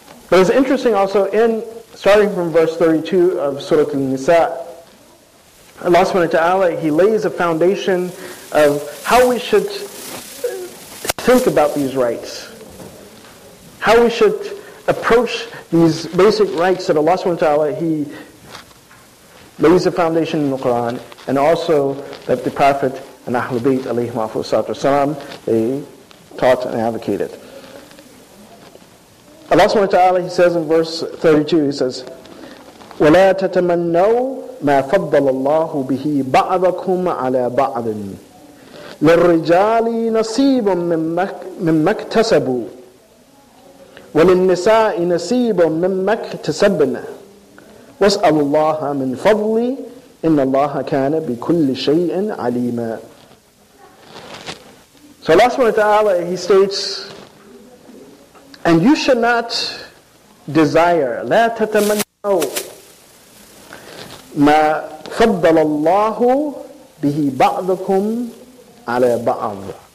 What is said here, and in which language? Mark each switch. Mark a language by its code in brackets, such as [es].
[en] But it's interesting also, in starting from verse 32 of Surah An-Nisa, Allah subhanahu wa ta'ala, he lays a foundation of how we should think about these rights, how we should approach these basic rights that Allah subhanahu wa ta'ala, he lays the foundation in the Quran, and also that the Prophet and Ahlul Bayt alayhi wa sallam, they taught and advocated. Allah subhanahu wa ta'ala, he says [ar] in verse 32, he says, وَلَا تَتَمَنَّوْا مَا فَضَّلَ اللَّهُ بِهِ بَعْضَكُمْ عَلَى بَعْضٍ لِلرِّجَالِ نَصِيبٌ مِمَّا اكْتَسَبُوا وَلِلنِّسَاءِ نَصِيبٌ مِمَّا اكْتَسَبْنَ وَاسْأَلُوا اللَّهَ مِنْ فَضْلِ إِنَّ اللَّهَ كَانَ بِكُلِّ شَيْءٍ عَلِيمًا. [en] So Allah subhanahu wa ta'ala, he states, and you should not desire, [ar] لَا تَتَمَنَّوْا مَا فَضَّلَ اللَّهُ بِهِ بَعْضَكُمْ عَلَى بَعْضٍ.